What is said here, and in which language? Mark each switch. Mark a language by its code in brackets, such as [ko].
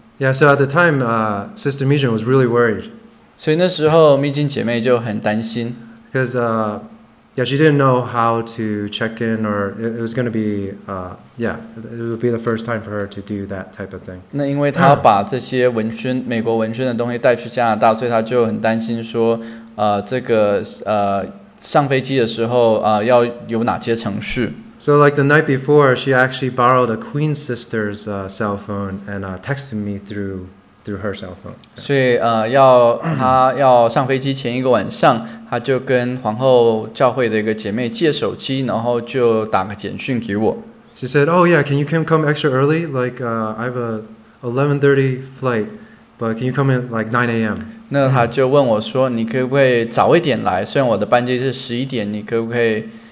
[en] Yeah, so at the time, Sister Mijin was really worried. [zh] 所以那时候蜜金姐妹就很担心。 [en] Because yeah, she didn't know how to check in, or it was going to be yeah, it would be the first time for her to do that type of thing. [zh] 那因为她要把这些文宣、美国文宣的东西带去加拿大，所以她就很担心说，这个上飞机的时候要有哪些程序。 [en] So like the night before, she actually borrowed a queen sister's cell phone and texted me through her cell phone. [zh] 所以要她要上飞机前一个晚上，她就跟皇后教会的一个姐妹借手机，然后就打个简讯给我。 [en] She said, "Oh yeah, can you come extra early? Like I have a 11:30 flight, but can you come in like 9 a.m.?" [zh] 那她就问我说，你可不可以早一点来？虽然我的班机是11点，你可不可以